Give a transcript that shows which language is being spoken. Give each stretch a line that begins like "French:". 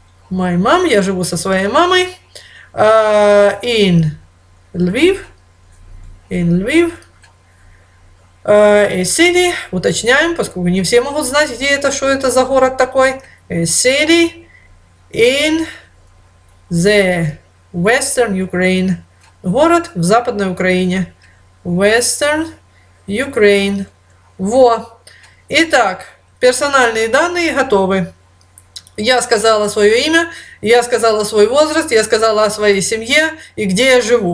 English: My mom,
Russian: я живу со своей мамой.
English: In Lviv, a city,
Russian: уточняем, поскольку не все могут знать, где это, что это за город такой.
English: A city in the Western Ukraine.
Russian: Город в Западной Украине.
English: Western Ukraine.
Russian: Во. Итак, персональные данные готовы. Я сказала свое имя, я сказала свой возраст, я сказала о своей семье и где я живу.